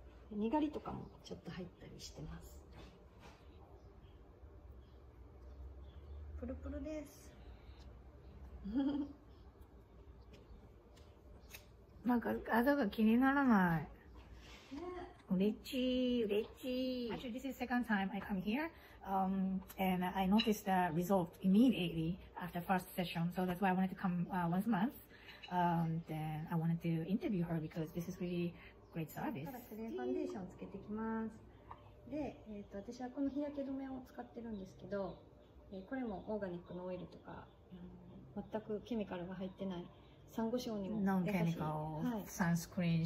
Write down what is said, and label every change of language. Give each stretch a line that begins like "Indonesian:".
Japanese: にがりとかもちょっと入ったりしてます。プルプルです。なんか肌が気にならない。嬉しい、嬉しい。
English: Actually, this is second time I come here. And I noticed the result immediately after first session. So that's why I wanted to come once a month. Then I wanted to interview her because this is really great service.
Japanese: ただクレイファンデーションつけてきます。で、私はこの日焼け止めを使ってるんですけど、これもオーガニックのオイルとか、全くケミカルが入ってないサンゴ礁にも優しい。ノンケミカル、サンスクリーン、